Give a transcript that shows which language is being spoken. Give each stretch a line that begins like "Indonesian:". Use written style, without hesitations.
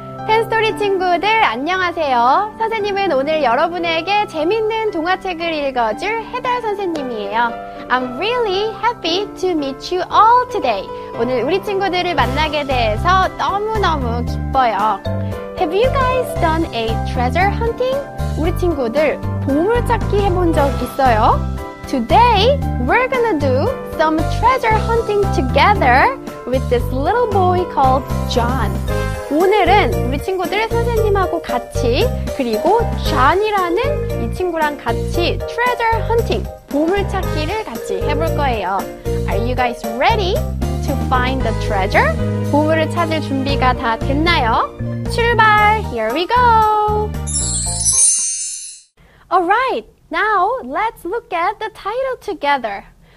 Korean: 텐스토리 친구들 안녕하세요. 선생님은 오늘 여러분에게 재밌는 동화책을 읽어줄 헤달 선생님이에요.
English: I'm really happy to meet you all today.
Korean: 오늘 우리 친구들을 만나게 돼서 너무너무 기뻐요.
English: Have you guys done a treasure hunting?
Korean: 우리 친구들 보물찾기 해본 적 있어요?
English: Today we're gonna do some treasure hunting together with this little boy called John.
Korean: 오늘은 우리 친구들 선생님하고 같이 그리고 존이라는 이 친구랑 같이 treasure hunting, 보물찾기를 같이 해볼 거예요.
English: Are you guys ready to find the treasure?
Korean: 보물을 찾을 준비가 다 됐나요? 출발!
English: Here we go! Alright, now let's look at the title together.